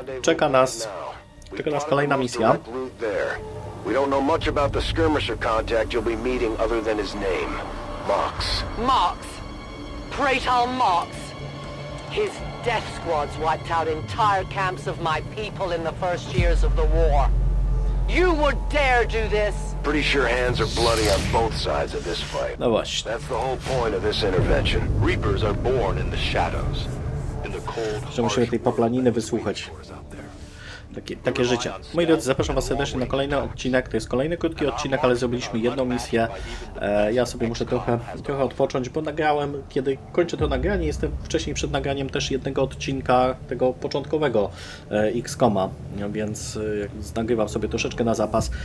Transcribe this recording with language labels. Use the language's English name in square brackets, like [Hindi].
[Polish] Czeka nas kolejna misja. [English] We don't know much about the skirmisher contact you'll be meeting other than his name. Mox. Mox. Praetal Mox. His death squads wiped out entire camps of my people in the first years of the war. You would dare do this? Pretty sure hands are bloody on both sides of this fight. [Polish] No właśnie. [English] That's the whole point of this intervention. Reapers are born in the shadows. In the cold, [Polish] że musimy tej poplaniny wysłuchać. Takie życie. Moi drodzy, zapraszam was serdecznie na kolejny odcinek. To jest kolejny krótki odcinek, ale zrobiliśmy jedną misję. Ja sobie muszę trochę odpocząć, bo nagrałem, kiedy kończę to nagranie, jestem wcześniej przed nagraniem też jednego odcinka tego początkowego XCOM-a, więc nagrywam sobie troszeczkę na zapas.